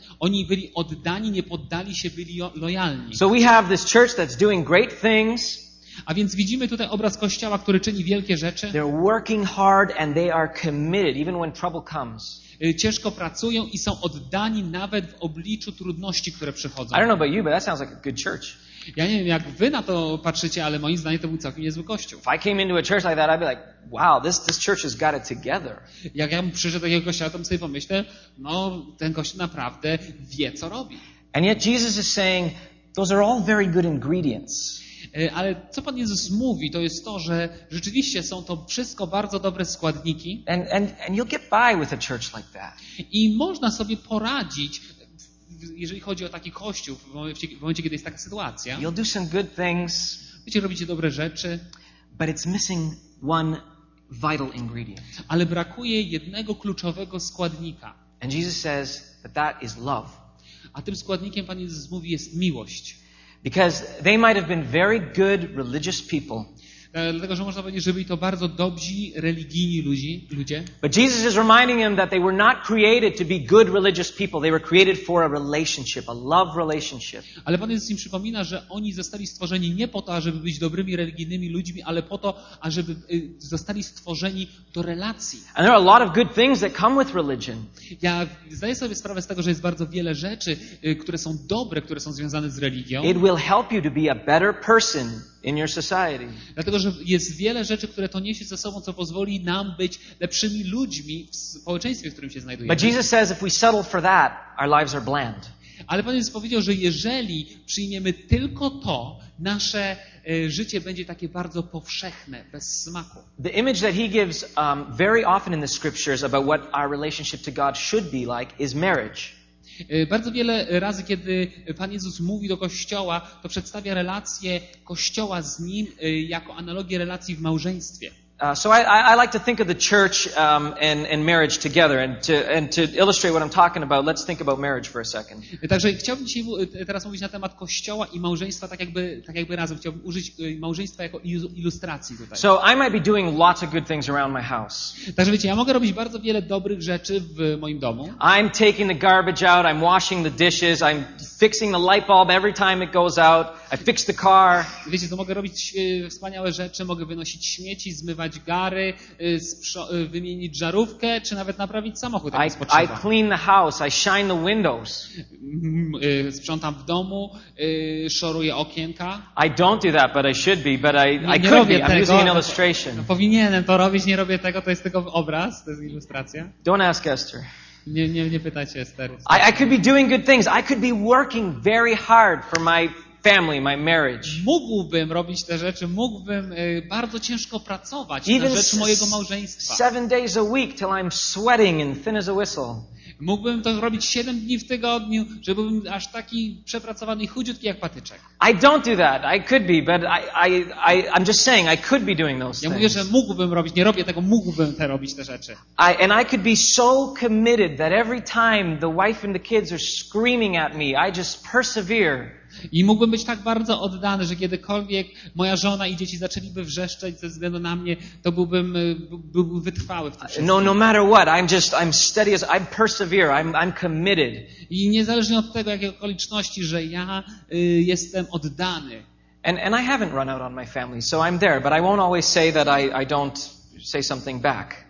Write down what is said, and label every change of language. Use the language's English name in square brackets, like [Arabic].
[Polish] Oni byli oddani, nie poddali się, byli lojalni. [English] So we have this church that's doing great things. [Polish] A więc widzimy tutaj obraz kościoła, który czyni wielkie rzeczy. [English] They're working hard and they are committed even when trouble comes. [Polish] Ciężko pracują i są oddani nawet w obliczu trudności, które przychodzą. [English] I don't know about you, but that sounds like a good church. [Polish] Ja nie wiem, jak wy na to patrzycie, ale moim zdaniem to był całkiem niezły kościół. [English] If I came into a church like that, I'd be like, wow, this church has got it together. [Polish] Jak ja bym przyszedł do takiego kościoła, to bym sobie pomyślę, no ten kościół naprawdę wie, co robi. [English] And yet Jesus is saying, those are all very good ingredients. [Polish] Ale co Pan Jezus mówi, to jest to, że rzeczywiście są to wszystko bardzo dobre składniki. [English] And you'll get by with a church like that. [Polish] I można sobie poradzić, jeżeli chodzi o taki kościół, w momencie, kiedy jest taka sytuacja. [English] You'll do some good things. [Polish] Wiecie, robicie dobre rzeczy. [English] But it's missing one vital ingredient. [Polish] Ale brakuje jednego kluczowego składnika. [English] And Jesus says that that is love. [Polish] A tym składnikiem Pan Jezus mówi jest miłość. [English] Because they might have been very good religious people. [Polish] Dlatego, że można powiedzieć, że byli to bardzo dobrzy religijni ludzie. [English] But Jesus is reminding them that they were not created to be good religious people. They were created for a relationship, a love relationship. [Polish] Ale Pan Jezus im przypomina, że oni zostali stworzeni nie po to, ażeby być dobrymi religijnymi ludźmi, ale po to, ażeby zostali stworzeni do relacji. [English] And there are a lot of good things that come with religion. [Polish] Ja zdaję sobie sprawę z tego, że jest bardzo wiele rzeczy, które są dobre, które są związane z religią. [English] It will help you to be a better person in your society. [Polish] Dlatego, że jest wiele rzeczy, które to niesie ze sobą, co pozwoli nam być lepszymi ludźmi w społeczeństwie, w którym się znajdujemy. [English] But Jesus says if we settle for that, our lives are bland. [Polish] Ale Pan Jezus powiedział, że jeżeli przyjmiemy tylko to, nasze życie będzie takie bardzo powszechne, bez smaku. [English] The image that he gives very often in the scriptures about what our relationship to God should be like is marriage. [Polish] Bardzo wiele razy, kiedy Pan Jezus mówi do Kościoła, to przedstawia relację Kościoła z Nim jako analogię relacji w małżeństwie. [English] So I like to think of the church and marriage together, and to illustrate what I'm talking about, let's think about marriage for a second. [Polish] Także chciałbym dzisiaj teraz mówić na temat Kościoła i małżeństwa tak jakby razem. Chciałbym użyć małżeństwa jako ilustracji tutaj. [English] So I might be doing lots of good things around my house. [Polish] Także wiecie, ja mogę robić bardzo wiele dobrych rzeczy w moim domu. [English] I'm taking the garbage out, I'm washing the dishes, I'm fixing the light bulb every time it goes out, I fix the car. [Polish] Wiecie, to mogę robić wspaniałe rzeczy, mogę wynosić śmieci, zmywać gary, wymienić żarówkę, czy nawet naprawić samochód. [English] I clean the house, I shine the windows. [Polish] Sprzątam w domu, szoruję okienka. [English] I don't do that, but I should be, but I [Polish] nie [English] could [Polish] robię [English] be. [Polish] Tego. [English] I'm using an illustration. [Polish] No, powinienem to robić, nie robię tego, to jest tylko obraz, to jest ilustracja. [English] Don't ask Esther. [Polish] Nie pytajcie Estery. [English] I could be doing good things. I could be working very hard for my family, my marriage. [Polish] Mógłbym robić te rzeczy, mógłbym bardzo ciężko pracować na rzecz mojego małżeństwa. [English] 7 days a week till I'm sweating and thin as a whistle. [Polish] Mógłbym to robić 7 dni w tygodniu, żebym aż taki przepracowany i chudziutki jak patyczek. [English] I don't do that. I could be, but I'm just saying I could be doing those things. [Polish] Ja mówię, że mógłbym robić, nie robię tego, mógłbym te robić te rzeczy. [English] I could be so committed that every time the wife and the kids are screaming at me, I just persevere. [Polish] I mógłbym być tak bardzo oddany, że kiedykolwiek moja żona i dzieci zaczęliby wrzeszczeć ze względu na mnie, to byłbym wytrwały w tym wszystkim. [English] No matter what, I'm steady as I persevere, I'm committed. [Polish] I niezależnie od tego, jakie okoliczności, że ja jestem oddany. [English] And I haven't run out on my family, so I'm there, but I won't always say that I don't say something back.